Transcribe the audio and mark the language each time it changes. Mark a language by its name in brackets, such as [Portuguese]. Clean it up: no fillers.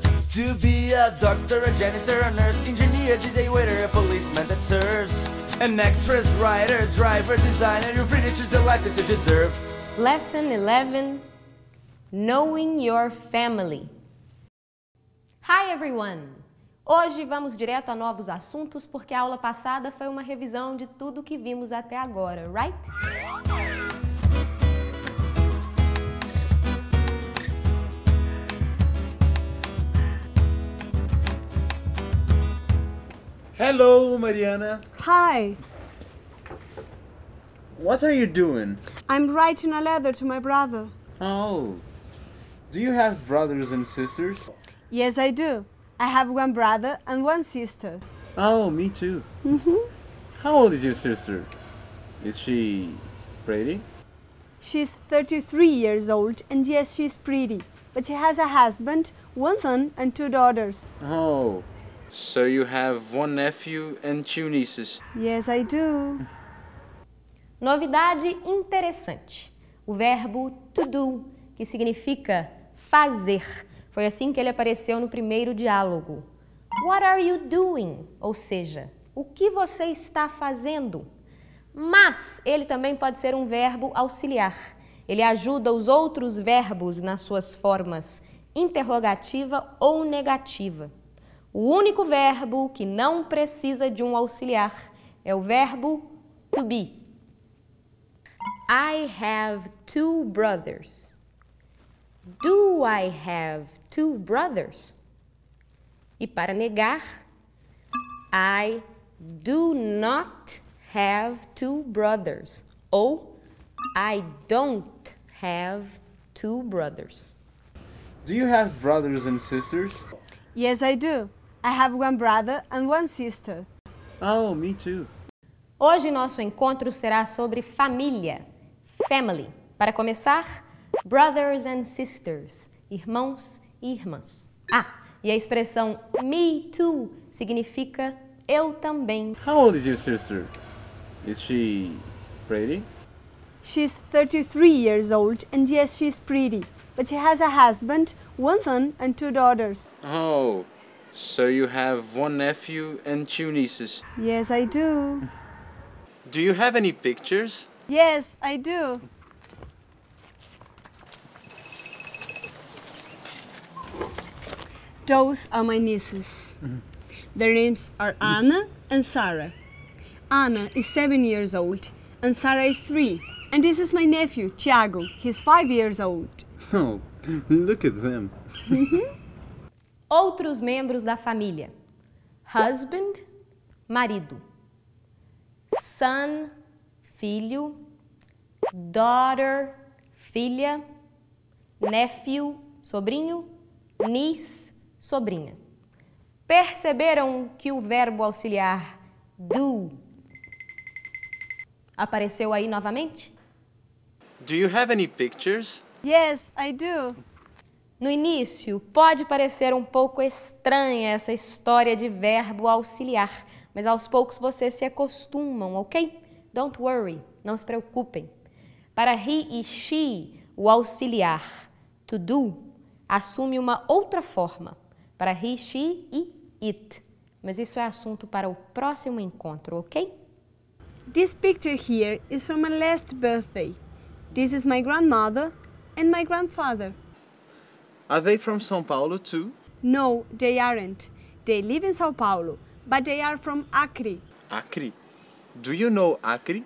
[English] To be a doctor, a janitor, a nurse, engineer, DJ, waiter, a policeman that serves. An actress, writer, driver, designer, you're free to choose the life that you deserve. Lesson 11, Knowing Your Family. Hi everyone! [Portuguese] Hoje vamos direto a novos assuntos porque a aula passada foi uma revisão de tudo que vimos até agora, right? [English] Hello, Mariana. Hi. What are you doing? I'm writing a letter to my brother. Oh. Do you have brothers and sisters? Yes, I do. I have one brother and one sister. Oh, me too. Mm-hmm. How old is your sister? Is she pretty? She's 33 years old and yes, she's pretty. But she has a husband, one son and two daughters. Oh. So you have one nephew and two nieces. Yes, I do. [Portuguese] Novidade interessante. O verbo to do, que significa fazer. Foi assim que ele apareceu no primeiro diálogo. [English] What are you doing? [Portuguese] Ou seja, o que você está fazendo? Mas ele também pode ser um verbo auxiliar. Ele ajuda os outros verbos nas suas formas interrogativa ou negativa. O único verbo que não precisa de um auxiliar é o verbo to be. [English] I have two brothers. Do I have two brothers? [Portuguese] E para negar, [English] I do not have two brothers. [Portuguese] Ou [English] I don't have two brothers. Do you have brothers and sisters? Yes, I do. I have one brother and one sister. Oh, me too. [Portuguese] Hoje nosso encontro será sobre família, family. Para começar, [English] brothers and sisters, [Portuguese] irmãos e irmãs. Ah, e a expressão me too significa eu também. [English] How old is your sister? Is she pretty? She's 33 years old and yes, she's pretty. But she has a husband, one son and two daughters. Oh. So you have one nephew and two nieces? Yes, I do. Do you have any pictures? Yes, I do. Those are my nieces. Their names are Anna and Sara. Anna is 7 years old and Sara is 3. And this is my nephew, Thiago. He's 5 years old. Oh, look at them. [Portuguese] Outros membros da família. Husband, marido. Son, filho. Daughter, filha. Nephew, sobrinho. Niece, sobrinha. Perceberam que o verbo auxiliar do apareceu aí novamente? [English] Do you have any pictures? Yes, I do. [Portuguese] No início, pode parecer um pouco estranha essa história de verbo auxiliar, mas aos poucos vocês se acostumam, ok? [English] Don't worry, [Portuguese] não se preocupem. Para he e she, o auxiliar to do assume uma outra forma, para he, she e it. Mas isso é assunto para o próximo encontro, ok? [English] This picture here is from my last birthday. This is my grandmother and my grandfather. Are they from São Paulo too? No, they aren't. They live in São Paulo, but they are from Acre. Acre? Do you know Acre?